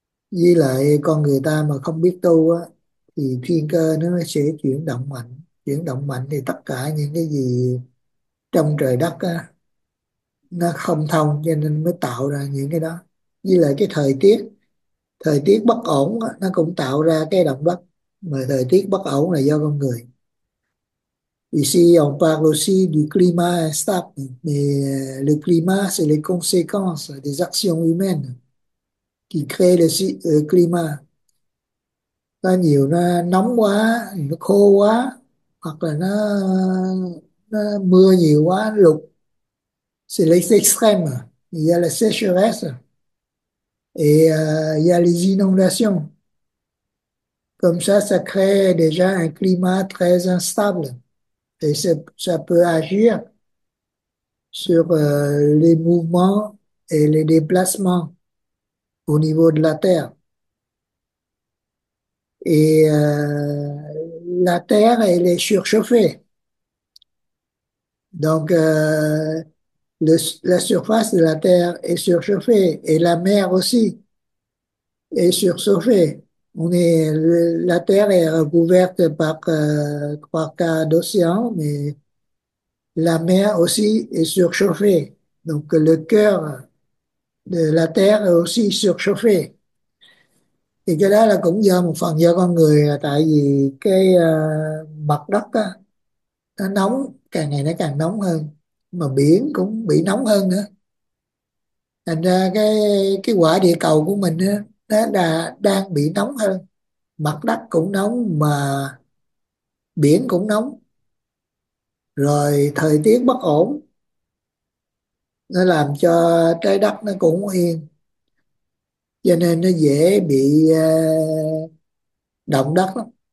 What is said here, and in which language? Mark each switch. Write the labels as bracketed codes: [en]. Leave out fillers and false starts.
[vi] Với lại con người ta mà không biết tu á thì thiên cơ nó sẽ chuyển động mạnh, chuyển động mạnh thì tất cả những cái gì trong trời đất á nó không thông, cho nên mới tạo ra những cái đó. Với lại cái thời tiết bất ổn á, nó cũng tạo ra cái động đất, mà thời tiết bất ổn là do con người. [fr] Ici, on parle aussi du climat instable, mais le climat, c'est les conséquences des actions humaines qui créent le climat. [vi] Ta nhiều nó nóng quá, nó khô quá, hoặc là nó mưa nhiều quá, lụt. [fr] C'est les extrêmes. Il y a la sécheresse. Et il y a les inondations. Comme ça crée déjà un climat très instable. Et ça peut agir sur les mouvements et les déplacements au niveau de la Terre. Et la Terre, elle est surchauffée. Donc, la surface de la Terre est surchauffée et la mer aussi est surchauffée. La Terre est recouverte par 3 quarts d'océan, mais la mer aussi est surchauffée. Donc le cœur de la Terre est aussi surchauffé. [vi] Et cái đó là cũng do một phần do con người, là tại vì cái mặt đất đó, nó nóng, càng ngày nó càng nóng hơn, mà biển cũng bị nóng hơn nữa. Thành ra cái quả địa cầu của mình đó, nó đã đang bị nóng hơn, mặt đất cũng nóng mà biển cũng nóng, rồi thời tiết bất ổn nó làm cho trái đất nó cũng không yên, cho nên nó dễ bị động đất lắm.